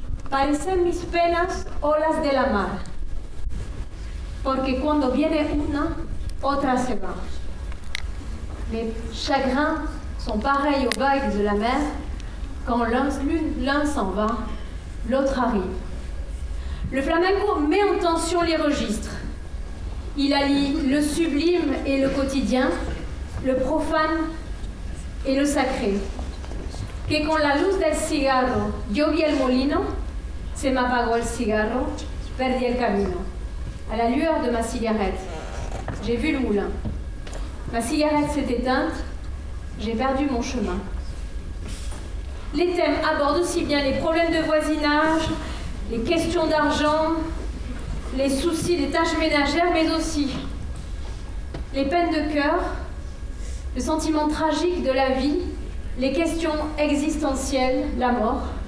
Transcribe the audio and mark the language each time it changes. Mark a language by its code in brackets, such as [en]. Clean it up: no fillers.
[es] Parecen mis penas olas de la mar, porque cuando viene una, otra se va. [fr] Mes chagrins sont pareils aux vagues de la mer, quand l'un s'en va, l'autre arrive. Le flamenco met en tension les registres. Il allie le sublime et le quotidien, le profane et le sacré. [es] Que con la luz del cigarro yo vi el molino, se me apagó el cigarro, perdí el camino. [fr] À la lueur de ma cigarette, j'ai vu le moulin. Ma cigarette s'est éteinte, j'ai perdu mon chemin. Les thèmes abordent aussi bien les problèmes de voisinage, les questions d'argent, les soucis des tâches ménagères, mais aussi les peines de cœur, le sentiment tragique de la vie, les questions existentielles, la mort.